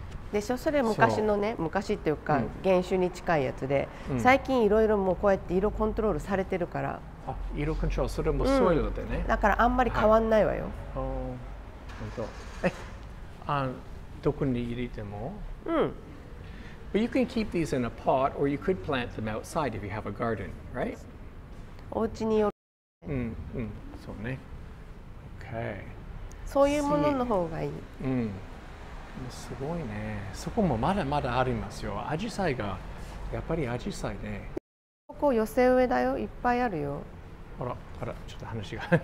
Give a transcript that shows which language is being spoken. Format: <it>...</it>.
<ja>でしょ、それ昔のね、昔っていうか原種に近いやつで、最近いろいろもうこうやって色コントロールされてるから、あ、色コントロール、それもソイルでね、だからあんまり変わんないわよ、本当、はい、どこに入れても、</ja> <en>But you can keep these in a pot or you could plant them outside if you have a garden, right?</en> <ja>お家によるそうね、okay. そういうものの方がいい、すごいね。そこもまだまだありますよ。アジサイが、やっぱりアジサイね。ここ寄せ植えだよ。いっぱいあるよ。ほら、ほら、ちょっと話が。</ja>